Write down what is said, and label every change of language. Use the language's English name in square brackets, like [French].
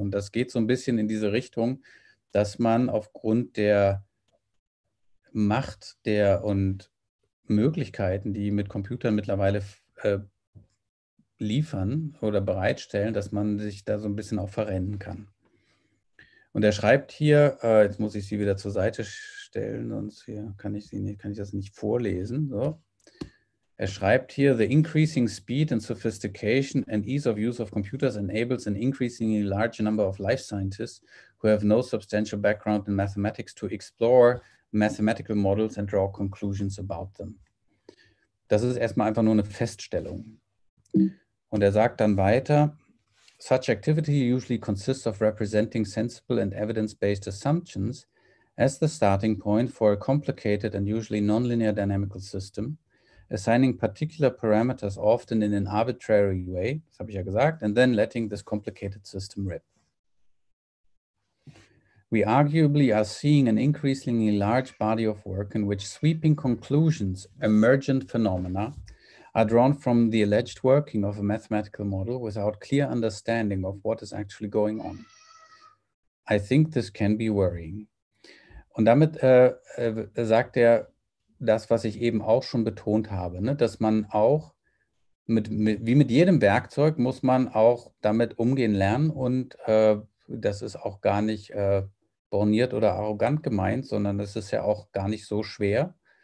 [German] Und das geht so ein bisschen in diese Richtung, dass man aufgrund der Macht der und Möglichkeiten, die mit Computern mittlerweile liefern oder bereitstellen, dass man sich da so ein bisschen auch verrennen kann. Und er schreibt hier, jetzt muss ich sie wieder zur Seite stellen, sonst hier kann ich das nicht vorlesen. So. Er schreibt hier, [English] the increasing speed and sophistication and ease of use of computers enables an increasingly large number of life scientists who have no substantial background in mathematics to explore mathematical models and draw conclusions about them. [German] Das ist erstmal einfach nur eine Feststellung. Und er sagt dann weiter, [English] such activity usually consists of representing sensible and evidence-based assumptions as the starting point for a complicated and usually nonlinear dynamical system, assigning particular parameters often in an arbitrary way, [German] das habe ich ja gesagt, [English] and then letting this complicated system rip. We arguably are seeing an increasingly large body of work in which sweeping conclusions, emergent phenomena, are drawn from the alleged working of a mathematical model without clear understanding of what is actually going on. I think this can be worrying. [German] Und damit sagt er das, was ich eben auch schon betont habe, ne? Dass man auch, wie mit jedem Werkzeug, muss man auch damit umgehen lernen und das ist auch gar nicht borniert oder arrogant gemeint, sondern das ist ja auch gar nicht so schwer.